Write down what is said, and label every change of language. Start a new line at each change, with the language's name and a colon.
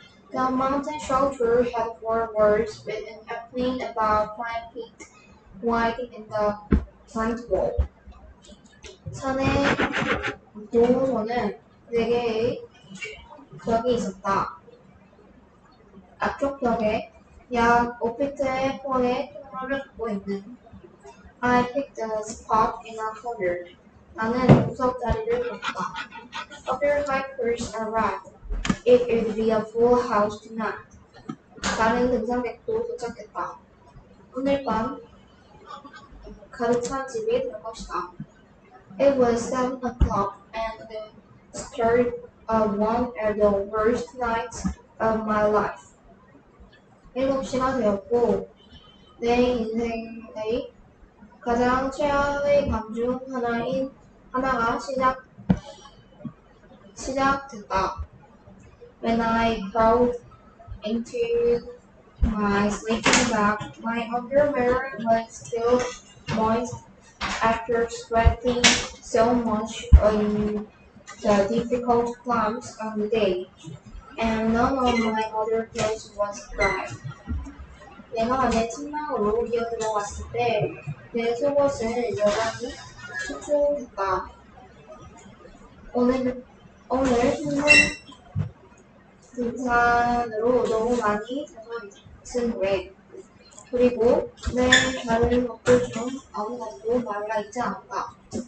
English: The mountain shelter had four words with an opening about 5 feet wide in the front wall.
Korean: 산의 보호소는 네 개의 벽이 있었다. 앞쪽 벽에 약 5피트의 폭의 통로를 갖고 있는
English: I picked a spot in a corner.
Korean: 나는 구석 자리를 뽑았다.
English: A few hikers arrived. It would be a full house tonight.
Korean: 다른 등산객도 도착했다. 오늘 밤 가득 찬 집이 될 것이다.
English: It was 7 o'clock and the start of one of the worst nights of my life.
Korean: 7시가 되었고 내 인생의 가장 최악의 밤중 하나인 하나가 시작됐다.
English: When I go into my sleeping bag, my underwear was still moist after sweating so much on the difficult climbs of the day, and none of my other clothes was dry.
Korean: 내가 내 침낭으로 기어들어갔을 때 내 속옷은 여전히 촉촉했다. 오늘 힘든 등산으로 너무 많이 젖어있은 후에 그리고 내 다른 것들 중 아무것도 말라있지 않았다.